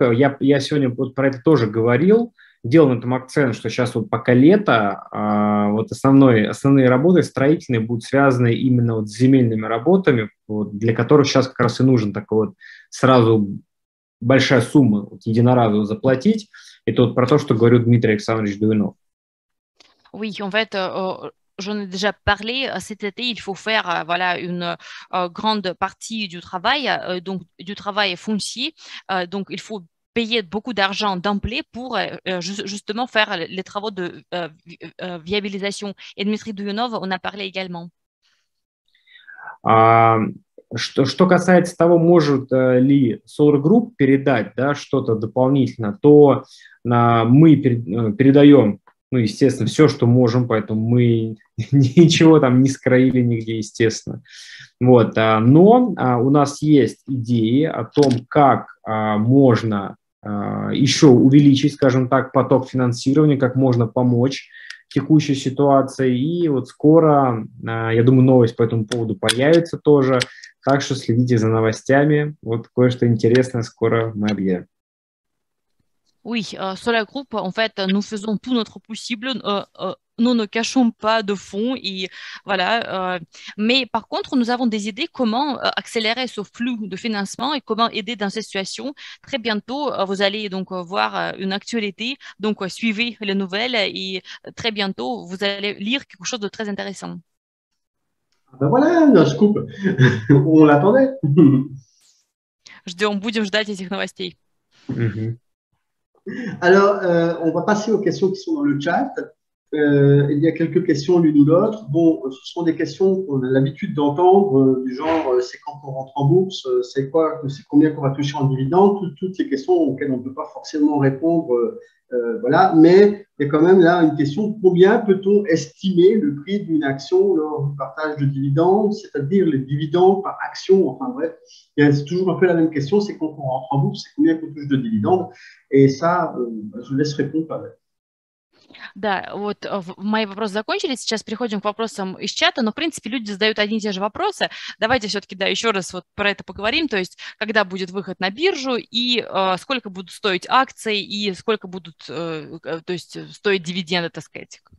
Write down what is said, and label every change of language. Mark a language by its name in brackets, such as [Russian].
[Russian] Я сегодня вот про это тоже говорил. Делал на этом акцент, что сейчас вот пока лето, вот основные работы строительные будут связаны именно вот с земельными работами, вот, для которых сейчас как раз и нужен такой вот сразу большая сумма вот, единоразово заплатить. Это вот про то, что говорил Дмитрий Александрович Дуйнов. [French] Oui, en fait, j'en ai déjà parlé. Cet été, il faut faire voilà une grande partie du travail, donc du travail foncier. Donc, il faut payer beaucoup d'argent d'emblée pour justement faire les travaux de viabilisation. Et Dmitri Duyunov en a parlé également. [Russian] Что касается того, может ли Solar Group передать, да, что-то дополнительно, то мы передаем, ну, естественно, все, что можем, поэтому мы ничего там не скроили нигде, естественно. Вот, но у нас есть идеи о том, как можно еще увеличить, скажем так, поток финансирования, как можно помочь текущей ситуации. И вот скоро, я думаю, новость по этому поводу появится тоже. Так что следите за новостями. Вот кое-что интересное скоро мы объявим. [French] Oui, sur la groupe, en fait, nous faisons tout notre possible, nous ne cachons pas de fond et voilà. Mais par contre, nous avons des idées comment accélérer ce flux de financement et comment aider dans cette situation. Très bientôt, vous allez donc voir une actualité, donc suivez les nouvelles et très bientôt, vous allez lire quelque chose de très intéressant. Ben voilà, notre scoop. On l'attendait. [Russian] Ждем, будем ждать этих новостей. [French] Alors, on va passer aux questions qui sont dans le chat. Il y a quelques questions l'une ou l'autre. Bon, ce sont des questions qu'on a l'habitude d'entendre, du genre, c'est quand qu'on rentre en bourse, c'est quoi, c'est combien qu'on va toucher en dividende, toutes les questions auxquelles on ne peut pas forcément répondre. Voilà, mais il y a quand même là une question, combien peut-on estimer le prix d'une action lors du partage de dividendes, c'est-à-dire les dividendes par action, enfin bref, c'est toujours un peu la même question, c'est quand on rentre en bourse, c'est combien qu'on touche de dividendes, et ça, je laisse répondre à [Russian] Да, вот мои вопросы закончились. Сейчас переходим к вопросам из чата. Но, в принципе, люди задают одни и те же вопросы. Давайте все-таки, да, еще раз вот про это поговорим. То есть, когда будет выход на биржу и сколько будут стоить акции и сколько будут, то есть, стоить дивиденды, так сказать.